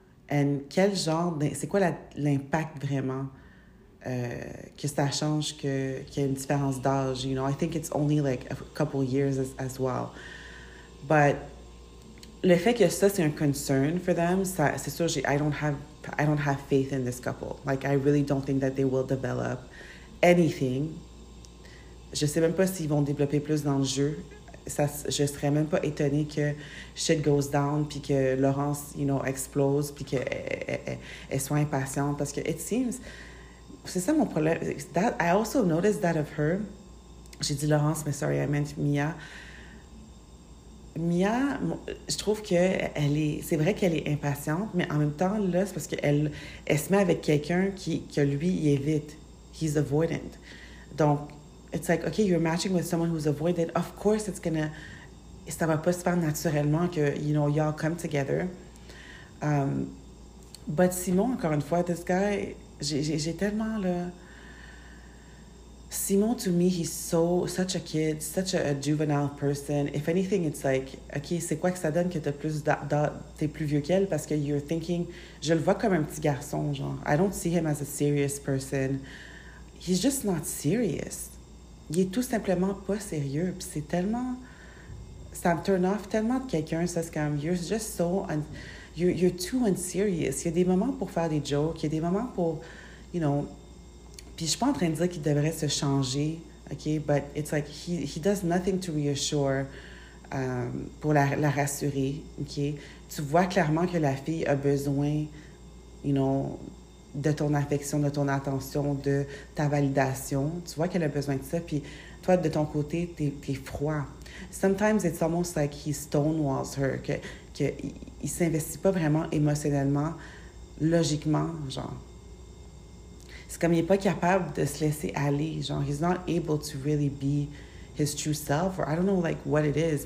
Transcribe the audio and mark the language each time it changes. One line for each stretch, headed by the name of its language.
French: And quel genre, c'est quoi l'impact vraiment? Que ça change qu'il y a une différence d'âge, you know.
English: I think it's only like a couple years as well. But
French: le fait que ça c'est un
English: concern for them,
French: ça, c'est sûr.
English: I don't have faith in this couple. Like I really don't think that they will develop anything.
French: Je sais même pas s'ils vont développer plus dans le jeu. Ça, je serais même pas étonnée que
English: shit goes down
French: puis que Laurence, you know, explose puis que elle soit impatiente parce que
English: it seems.
French: C'est ça mon problème.
English: That, I also noticed that of her.
French: J'ai dit Laurence, mais
English: sorry, I meant Mia.
French: Mia, je trouve que elle est. C'est vrai qu'elle est impatiente, mais en même temps, là, c'est parce qu'elle se met avec quelqu'un que lui, il évite.
English: He's avoidant. Donc, it's like, okay, you're matching with someone who's avoidant. Of course, it's gonna.
French: Ça va pas se faire naturellement que,
English: you know, y'all come together.
French: But Simon, encore une fois,
English: this guy.
French: J'ai tellement, là...
English: Simon, to me, he's so... Such a kid, such a juvenile person. If anything, it's like, OK,
French: c'est quoi que ça donne que t'as plus t'es plus vieux qu'elle? Parce que
English: you're thinking...
French: Je le vois comme un petit garçon, genre.
English: I don't see him as a serious person. He's just not serious.
French: Il est tout simplement pas sérieux. Puis c'est tellement... Ça me
English: turn off
French: tellement de quelqu'un. Ça, c'est comme,
English: you're just so... You're too unserious.
French: Il y a des moments pour faire des jokes. Il y a des moments pour, you know... Puis je suis pas en train de dire qu'il devrait se changer, OK?
English: But it's like, he does nothing to reassure,
French: pour la rassurer,
English: OK?
French: Tu vois clairement que la fille a besoin, you know, de ton affection, de ton attention, de ta validation. Tu vois qu'elle a besoin de ça. Puis toi, de ton côté, t'es froid.
English: Sometimes it's almost like he stonewalls her, OK?
French: Qu'il ne s'investit pas vraiment émotionnellement, logiquement, genre. C'est comme il n'est pas capable de se laisser aller, genre.
English: He's not able to really be his true self, or I don't know, like, what it is.